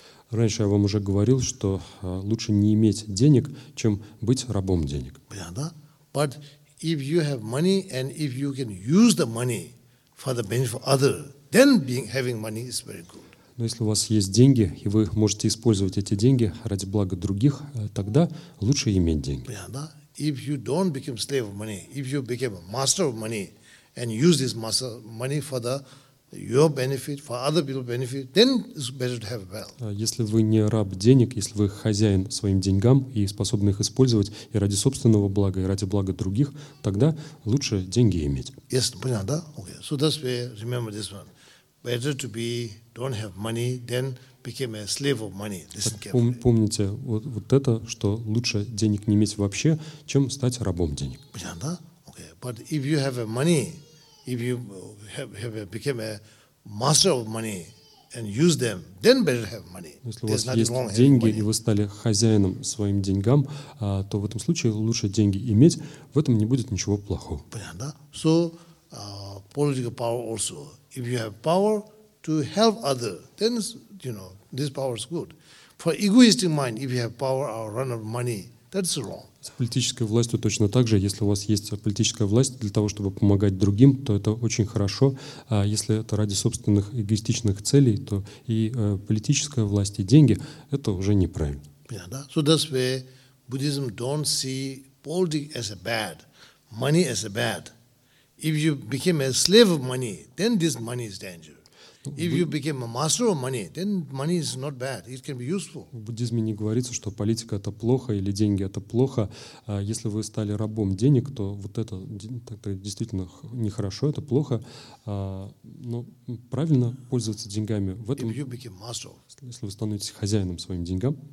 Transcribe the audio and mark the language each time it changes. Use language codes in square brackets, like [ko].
[ru] Раньше я вам уже говорил, что лучше не иметь денег, чем быть рабом денег. [en] But if you have money and if you can use the money for the benefit of others, then being having money is very good. [ru] Но если у вас есть деньги, и вы можете использовать эти деньги ради блага других, тогда лучше иметь деньги. [en] If you don't become slave of money, if you become a master of money and use this money for the your benefit, for other people's benefit, then it's better to have wealth. [ru] Если вы не раб денег, если вы хозяин своим деньгам и способны их использовать и ради собственного блага, и ради блага других, тогда лучше деньги иметь. [en] Yes, [ru] понял, да? [en] Okay. So that's why remember this one. Better to be don't have money, then became a slave of money. Listen carefully. [ru] Помните вот это, что лучше денег не иметь вообще, чем стать рабом денег. Понятно, да? [en] Okay. But if you have money, if you have became a master of money and use them, then better have money. [ru] Если у вас есть деньги, и вы стали хозяином своим деньгам, то в этом случае лучше деньги иметь, в этом не будет ничего плохого. Понятно, да? [en] So, political power also. If you have power to help other, then you know this power is good. For egoistic mind, if you have power or run of money, that's wrong. [ru] С политической властью точно так же. Если у вас есть политическая власть для того, чтобы помогать другим, то это очень хорошо. А если это ради собственных эгоистичных целей, то и политическая власть и деньги это уже неправильно. [en] Yeah, [ru] да? [en] So that's why Buddhism don't see politics as a bad, money as a bad. If you became a slave of money, then this money is dangerous. If you became a master of money, then money is not bad. It can be useful. [ru] В буддизме не говорится, что политика это плохо или деньги это плохо. Если вы стали рабом денег, то вот это действительно нехорошо, это плохо. Но правильно пользоваться деньгами в этом. [en] If you became master of, [ru] если вы становитесь хозяином своим деньгам,